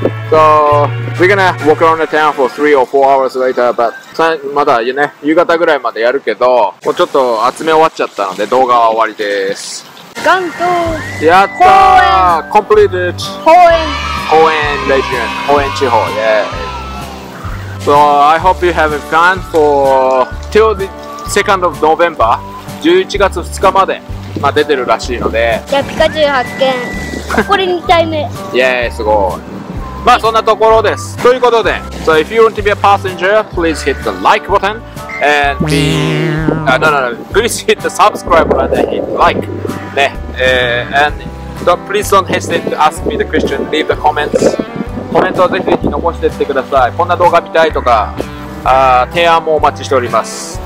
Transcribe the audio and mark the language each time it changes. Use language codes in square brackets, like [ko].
[en] So we're gonna walk around the town for three or four hours later, but. [ja] まだね、夕方ぐらいまでやるけど、もうちょっと集め終わっちゃったので、動画は終わりです。ガンとやったーコンプリート公園公園レジオン、公園地方、イエーイ。 [en] So, I hope you have a plan for till the 2nd of November, [ja] 11月2日まで、まあ、出てるらしいので。じゃあ、ピカチュウ発見。これ2体目。イエーイ、すごい。まあそんなところです。ということで、 [en] So if you want to be a passenger, please hit the like button and be... please hit the subscribe button and hit like. [ja] ね。 [en] And please don't hesitate to ask me the question. Leave the comments. [ja] コメントはぜひぜひ残してってください。こんな動画見たいとか、提案もお待ちしております。